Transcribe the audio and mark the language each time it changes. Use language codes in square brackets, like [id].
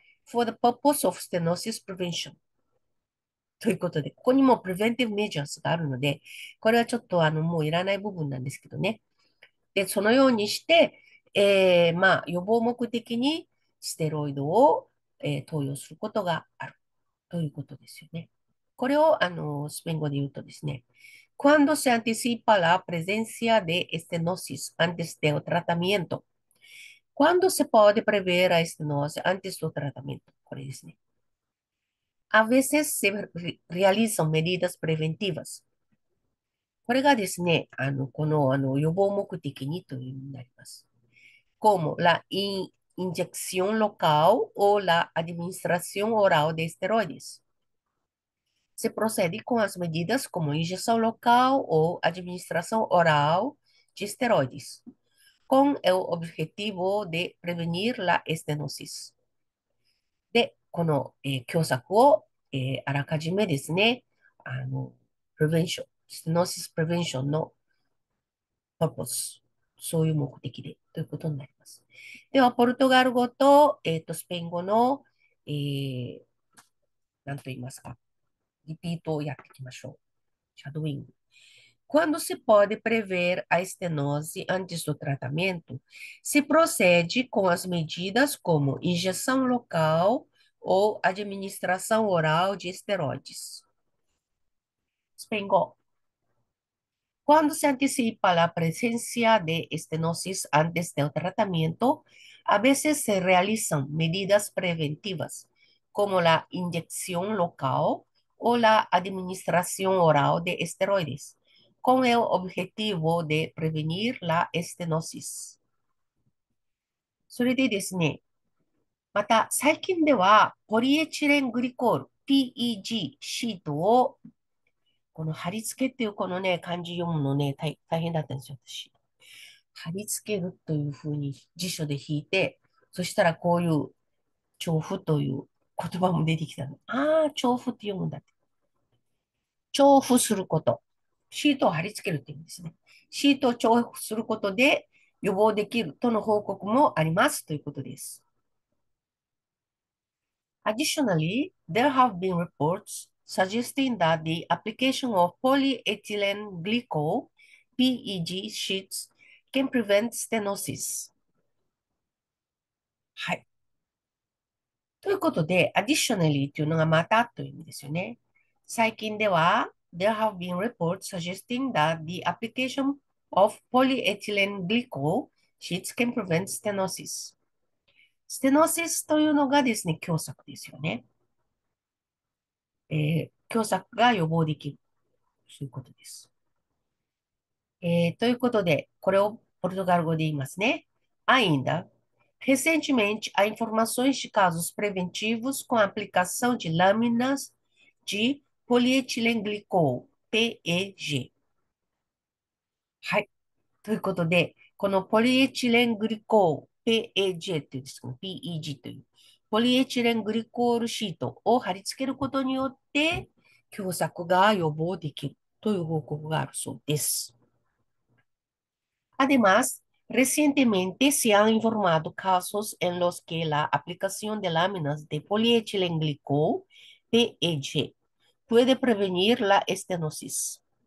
[en] For the purpose of stenosis prevention。 [ja] ということで、ここにも [en] preventive measures [ja] があるので、これはちょっともういらない部分なんですけどね。で、そのようにして、予防目的にステロイドを、投与することがあるということですよね。これをスペイン語で言うとですね。 [es] Cuando se anticipa la presencia de estenosis antes del tratamiento. Cuando se puede prever la estenosis antes del tratamiento. Por eso. A veces se realizan medidas preventivas. [ja] これがですね、この予防目的にというふうになります。 [es] Como la inyección local o la administración oral de esteroides. [pt] Se procede com as medidas como injeção local ou administração oral de esteroides, com o objetivo de prevenir a estenosis. [ja] で、この狭窄を、あらかじめですね、prevention、 [en] stenosis prevention [ja] の purpose、そういう目的でということになります。では、ポルトガル語と、スペイン語の、何と言いますか。リピートをやっていきましょう。シャドウイング。 [pt] Quando se pode prever a estenose antes do tratamento, se procede com as medidas como injeção local ou administração oral de esteroides. Spengo. Quando se antecipa a presença de estenose antes do tratamento, [es] A veces se realizan medidas preventivas, como la inyección local o la administración oral de esteroides, con el objetivo de prevenir la estenosis. [ja] それでですね、また最近ではポリエチレングリコール PEG シートをこの貼り付けっていうこのね漢字読むのね 大変だったんですよ私。貼り付けるというふうに辞書で引いて、そしたらこういう調布という言葉も出てきたの。ああ、調布って読むんだって。調布すること。シートを貼り付けるって言うんですね。シートを調布することで予防できるとの報告もありますということです。 [en] Additionally, there have been reports suggesting that the application of polyethylene glycol PEG sheets can prevent stenosis. [ja] はい。ということで、additionally というのがまたという意味ですよね。最近では、 [en] There have been reports suggesting that the application of polyethylene glycol sheets can prevent stenosis. [ja] ステノシスというのがですね、狭窄ですよね。狭窄が予防できる。そういうことです。ということで、これをポルトガル語で言いますね。 [pt] Ainda, recentemente há informações de casos preventivos com aplicação de lâminas de polietilene glicol, PEG. [ja] はい。ということで、このポリエチレングリコール、PEG というんですか、PEG という、ポリエチレングリコールシートを貼り付けることによって、狭窄が予防できるという報告があるそうです。 [es] Además, recientemente se han informado casos en los que la aplicación de láminas de polietilén glicol, PEG, puede prevenir la estenosis.